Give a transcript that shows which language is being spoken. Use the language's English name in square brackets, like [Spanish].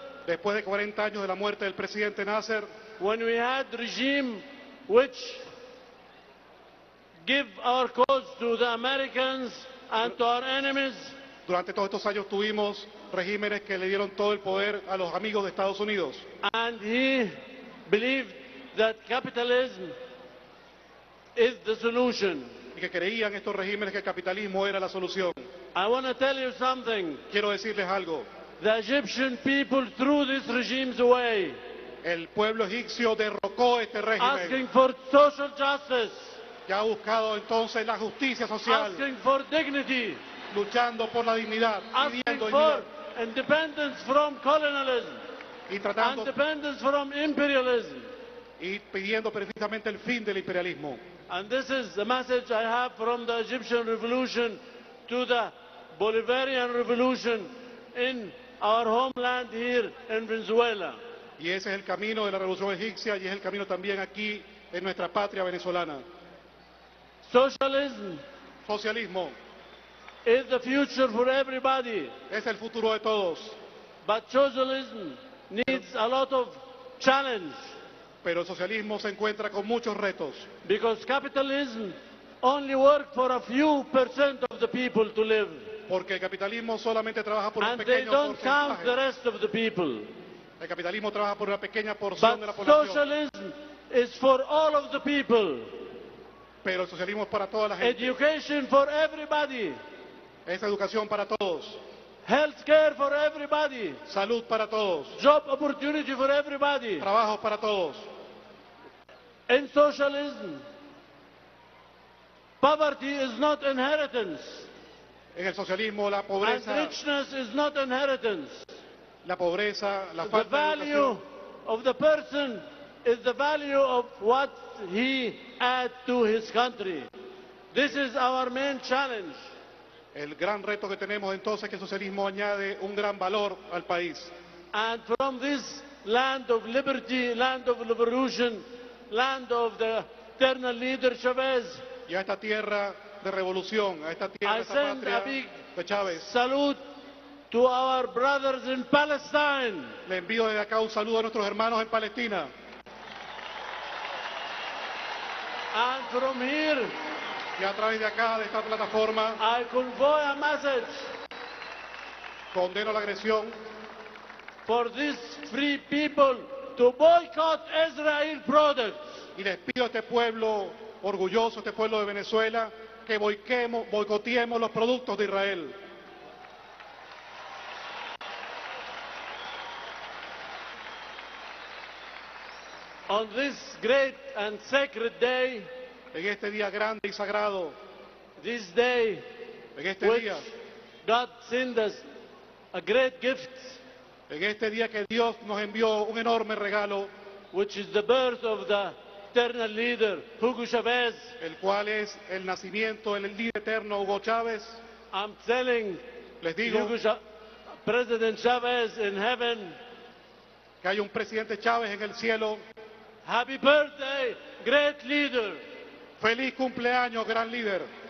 [Spanish] Después de 40 años de la muerte del presidente Nasser. [English] When we had regime which give our cause to the Americans and to our enemies. [Spanish] Durante todos estos años tuvimos regímenes que le dieron todo el poder a los amigos de Estados Unidos. [English] And he believed that capitalism is the solution. [Spanish] Y que creían estos regímenes que el capitalismo era la solución. [English] I want to tell you something. [Spanish] Quiero decirles algo. [English] The Egyptian people threw these regimes away. [Spanish] El pueblo egipcio derrocó este régimen. [English] Asking for social justice. [Spanish] Ya ha buscado entonces la justicia social. [English] Asking for dignity. [Spanish] Luchando por la dignidad. [English] Asking [Spanish] pidiendo [English] for [Spanish] dignidad. [English] Independence from colonialism. [Spanish] Y tratando. [English] And independence from imperialism. [Spanish] Y pidiendo precisamente el fin del imperialismo. [English] And this is the message I have from the Egyptian revolution to the Bolivarian revolution in our homeland here in Venezuela. [Spanish] Y ese es el camino de la revolución egipcia y es el camino también aquí en nuestra patria venezolana. [English] Socialism. [Spanish] Socialismo. [English] Is the future for everybody. [Spanish] Es el futuro de todos. [English] But socialism needs a lot of challenge. [Spanish] Pero el socialismo se encuentra con muchos retos. [English] Because capitalism only works for a few percent of the people to live. [Spanish] Porque el capitalismo solamente trabaja por [English] and [Spanish] un pequeño porcentaje. [English] And they don't count the rest of the people. [Spanish] El capitalismo trabaja por una pequeña porción [English] but [Spanish] de la población. [English] But socialism is for all of the people. [Spanish] Pero el socialismo es para toda la gente. [English] Education for everybody. [Spanish] Es educación para todos. [English] Healthcare for everybody. [Spanish] Salud para todos. [English] Job opportunity for everybody. [Spanish] Trabajo para todos. [English] In socialism, poverty is not inheritance. [Spanish] En el socialismo la pobreza. [English] And richness is not inheritance. [Spanish] La pobreza, la falta de educación. [English] The value of the person is the value of what he adds to his country. This is our main challenge. [Spanish] El gran reto que tenemos entonces es que el socialismo añade un gran valor al país. [English] And from this land of liberty, land of revolution, land of the eternal leader Chavez. [Spanish] Y a esta tierra de revolución, a esta tierra, [English] I send [Spanish] patria [English] a big [Spanish] de Chávez. [English] Salute to our brothers in Palestine. [Spanish] Le envío desde acá un saludo a nuestros hermanos en Palestina. [English] And from here. [Spanish] Y a través de acá, de esta plataforma, [English] I convoy a message. [Spanish] Condeno la agresión. [English] For this free people to boycott Israel products. [Spanish] Y les pido a este pueblo orgulloso, a este pueblo de Venezuela, que boicotemos los productos de Israel. [English] On this great and sacred day, [Spanish] en este día grande y sagrado, [English] this day, [Spanish] en este día, [English] God sent us a great gift, [Spanish] en este día que Dios nos envió un enorme regalo, [English] which is the birth of the eternal leader, Hugo Chávez, [Spanish] el cual es el nacimiento del líder eterno Hugo Chávez. [English] I'm telling, [Spanish] les digo, [English] Hugo President Chávez in heaven, [Spanish] que hay un presidente Chávez en el cielo. [English] Happy birthday, great leader. [Spanish] Feliz cumpleaños, gran líder.